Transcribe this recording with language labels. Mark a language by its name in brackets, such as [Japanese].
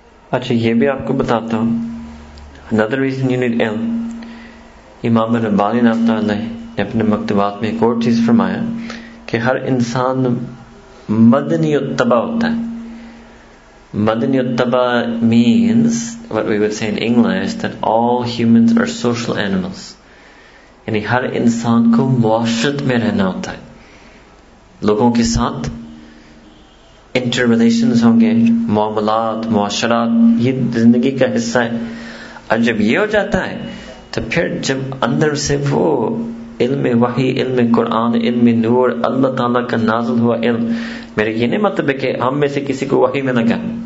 [Urdu] اچھا, یہ بھی آپ کو بتاتا ہوں, [English] another reason you need [Urdu] علم. امام ربانی رحمتہ اللہ نے اپنے مکتبات میں ایک اور چیز فرمایا کہ ہر انسان مدنی اتبا ہوتا ہے. [English] مدنی اتبا means what we would say in English, that all humans are social animals. [Urdu] یعنی ہر انسان کو معاشرت میں رہنا ہوتا ہے, لوگوں کے ساتھ انٹر ریلیشنز ہوں گے, معاملات, معاشرات, یہ زندگی کا حصہ ہے. اور جب یہ ہو جاتا ہے تو پھر جب اندر سے وہ علم وحی, علم قرآن, علم نور, اللہ تعالیٰ کا نازل ہوا علم, میرے یہ نہیں مطلب ہے کہ ہم میں سے کسی کو وحی میں نہ کہیں.